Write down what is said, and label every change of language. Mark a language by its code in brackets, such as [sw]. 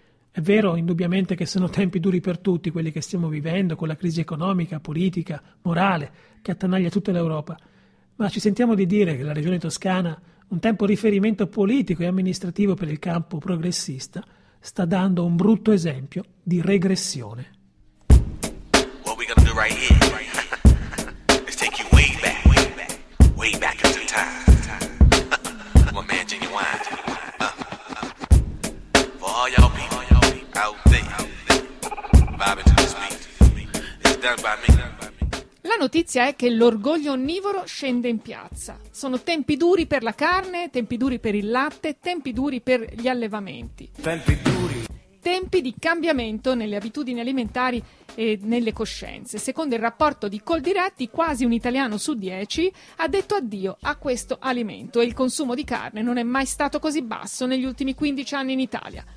[it] È vero, indubbiamente, che sono tempi duri per tutti quelli che stiamo vivendo, con la crisi economica, politica, morale, che attanaglia tutta l'Europa, ma ci sentiamo di dire che la Regione Toscana, un tempo riferimento politico e amministrativo per il campo progressista, sta dando un brutto esempio di regressione. [en] What we gonna do right here is take you way back into time. My man Genuine. For all y'all people out there, vibing to this beat. It's done by me. [it] La notizia è che l'orgoglio onnivoro scende in piazza. Sono tempi duri per la carne, tempi duri per il latte, tempi duri per gli allevamenti. Tempi duri. Tempi di cambiamento nelle abitudini alimentari e nelle coscienze. Secondo il rapporto di Coldiretti, quasi un italiano su 10 ha detto addio a questo alimento e il consumo di carne non è mai stato così basso negli ultimi 15 anni in Italia.